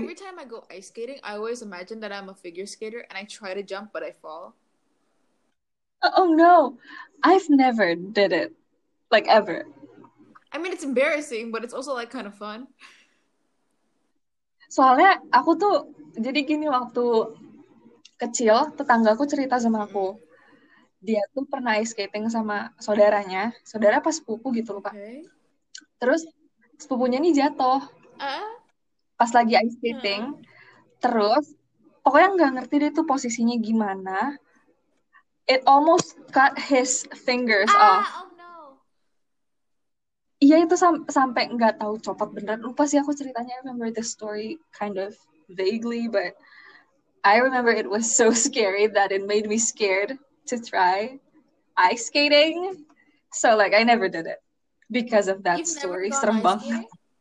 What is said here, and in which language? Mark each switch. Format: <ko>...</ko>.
<en>Every time I go ice skating, I always imagine that I'm a figure skater and I try to jump but I fall. Oh no, I've never did it, like ever. I mean, it's embarrassing, but it's also like kind of fun.</en> <id>Soalnya aku tuh jadi gini waktu kecil, tetanggaku cerita sama aku. Dia tuh pernah ice skating sama saudaranya, saudara pas sepupu gitu loh, Pak.</id> <en>Okay.</en> <id>Terus sepupunya nih jatuh pas lagi ice skating. Terus pokoknya nggak ngerti deh tuh posisinya gimana.</id> <en>It almost cut his fingers off.</en> <id>Iya itu sampai nggak tahu copot beneran. Lupa sih aku ceritanya.</id> <en>I remember the story kind of vaguely, but I remember it was so scary that it made me scared to try ice skating. So like I never did it because of that You've never story. gone</en> <id>Serem</id> <en>ice</en> <id>banget.</id> <en>skating?</en>